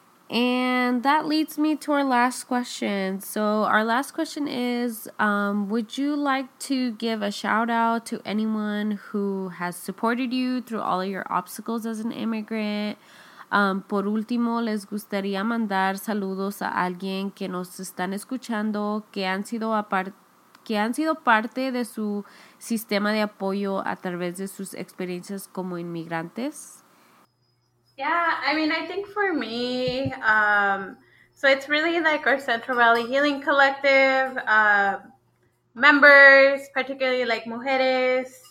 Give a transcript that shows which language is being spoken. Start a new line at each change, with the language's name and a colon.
English: And that leads me to our last question. So our last question is, would you like to give a shout out to anyone who has supported you through all of your obstacles as an immigrant?
Spanish: Por último, les gustaría mandar saludos a alguien que nos están escuchando, que han sido parte de su sistema de apoyo a través de sus experiencias como inmigrantes.
English: Yeah, I mean, I think for me, so it's really like our Central Valley Healing Collective members, particularly like mujeres.